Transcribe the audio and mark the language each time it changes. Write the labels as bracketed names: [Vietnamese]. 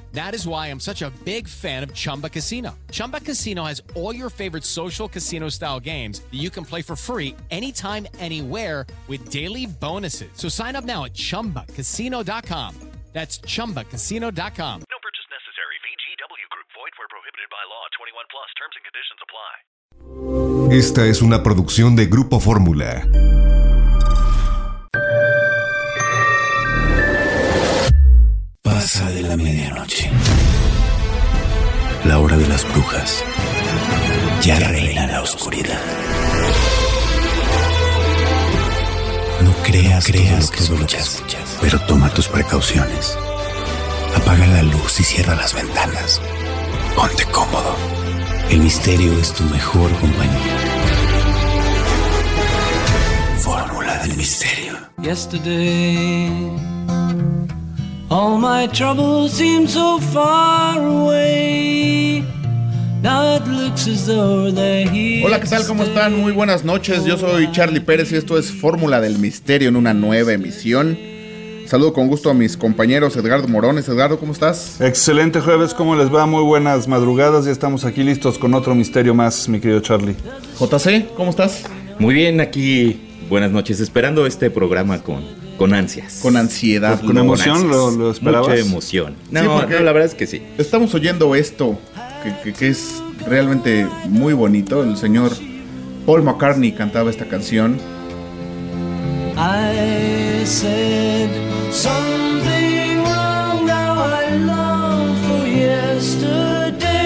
[English] That is why I'm such a big fan of Chumba Casino. Chumba Casino has all your favorite social casino-style games that you can play for free anytime, anywhere with daily bonuses. So sign up now at chumbacasino.com. That's chumbacasino.com. No purchase necessary. VGW Group. Void where prohibited by law. 21 plus. Terms and conditions apply. [Spanish] Esta es una producción de Grupo Fórmula. Pasa de la medianoche. La hora de las brujas. Ya reina la oscuridad. No creas que solo escuchas, pero toma tus precauciones. Apaga la luz y cierra las ventanas. Ponte cómodo. El misterio es tu mejor compañía. Fórmula del misterio. [English] Yesterday, all my troubles seem so far away. Now it looks as though they're here. [Spanish] Hola, ¿qué tal? ¿Cómo están? Muy buenas noches. Yo soy Charlie Pérez y esto es Fórmula del Misterio en una nueva emisión. Saludo con gusto a mis compañeros Edgardo Morones. Edgardo, ¿cómo estás? Excelente jueves, ¿cómo les va? Muy buenas madrugadas, ya estamos aquí listos con otro misterio más, mi querido Charlie. JC, ¿cómo estás? Muy bien, aquí, buenas noches, esperando este programa con ansias. Con ansiedad. Pues, ¿con emoción lo esperabas? Mucha emoción. No, la verdad es que sí. Estamos oyendo esto, que es realmente muy bonito. El señor Paul McCartney cantaba esta canción. [English] I said something wrong, now I long for yesterday.